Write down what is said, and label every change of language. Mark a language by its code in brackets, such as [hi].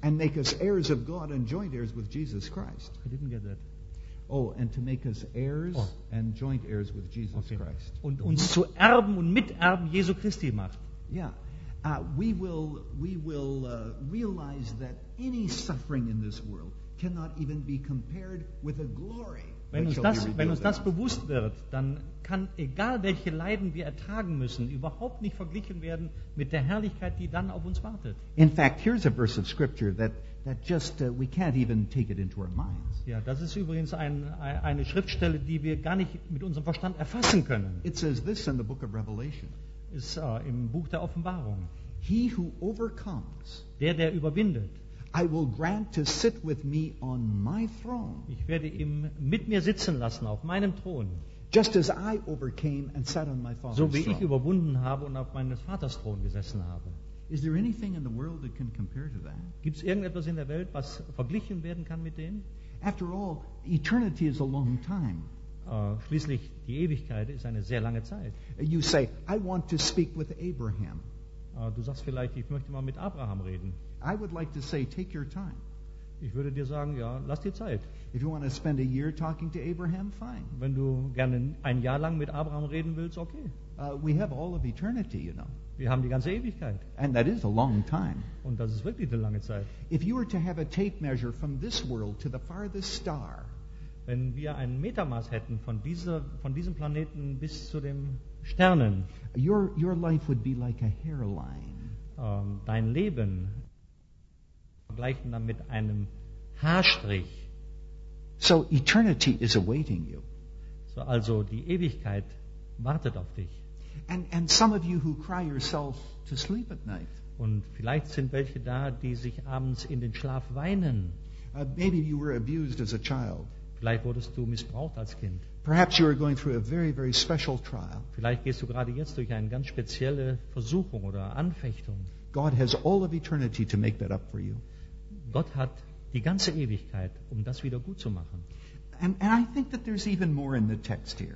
[en] and make us heirs of God and joint heirs with Jesus Christ. I didn't get that. Oh, and to make us heirs and joint heirs with Jesus Christ. [de] Und uns zu Erben und Miterben Jesu Christi macht. Yeah. [en] We will realize that any suffering in this world cannot even be compared with a glory. [de] Wenn uns das bewusst wird, dann kann egal welche Leiden wir ertragen müssen, überhaupt nicht verglichen werden mit der Herrlichkeit, die dann auf uns wartet. [en] In fact, here's a verse of scripture that just we can't even take it into our minds. [de] Ja, das ist übrigens eine Schriftstelle, die wir gar nicht mit unserem Verstand erfassen können. [en] It says this in the book of Revelation. [de] Ist im Buch der Offenbarung. [en] He who overcomes, [de] der, der überwindet, [en] I will grant to sit with me on my throne. [de] Ich werde ihn mit mir sitzen lassen auf meinem Thron. [en] Just as I overcame and sat on my Father's throne. [de] So wie ich überwunden habe und auf meines Vaters Thron gesessen habe. [en] Is there anything in the world that can compare to that? [de] Gibt's irgendetwas in der Welt, was verglichen werden kann mit dem? [en] After all, eternity is a long time. [de] Schließlich die Ewigkeit ist eine sehr lange Zeit. [en] You say, I want to speak with Abraham. [de] Du sagst vielleicht, ich möchte mal mit Abraham reden. [en] I would like to say, take your time. [de] Ich würde dir sagen, ja, lass dir Zeit. [en] If you want to spend a year talking to Abraham, fine. [de] Wenn du gerne ein Jahr lang mit Abraham reden willst, okay. [en] We have all of eternity, you know. [de] Wir haben die ganze Ewigkeit. [en] And that is a long time. [de] Und das ist wirklich eine lange Zeit. [en] If you were to have a tape measure from this world to the farthest star. [de] Wenn wir ein Metermaß hätten von diesem Planeten bis zu den Sternen. [en] Your life would be like a hairline. [de] Dein Leben vergleichen dann mit einem Haarstrich. [en] So eternity is awaiting you. [de] So also die Ewigkeit wartet auf dich. [en] And some of you who cry yourself to sleep at night. [de] Und vielleicht sind welche da, die sich abends in den Schlaf weinen. [en] Maybe you were abused as a child. [de] Vielleicht wurdest du missbraucht als Kind. [en] Perhaps you are going through a very, very special trial. [de] Vielleicht gehst du gerade jetzt durch eine ganz spezielle Versuchung oder Anfechtung. [en] God has all of eternity to make that up for you. [de] Gott hat die ganze Ewigkeit, um das wieder gut zu machen. [en] And I think that there's even more in the text here.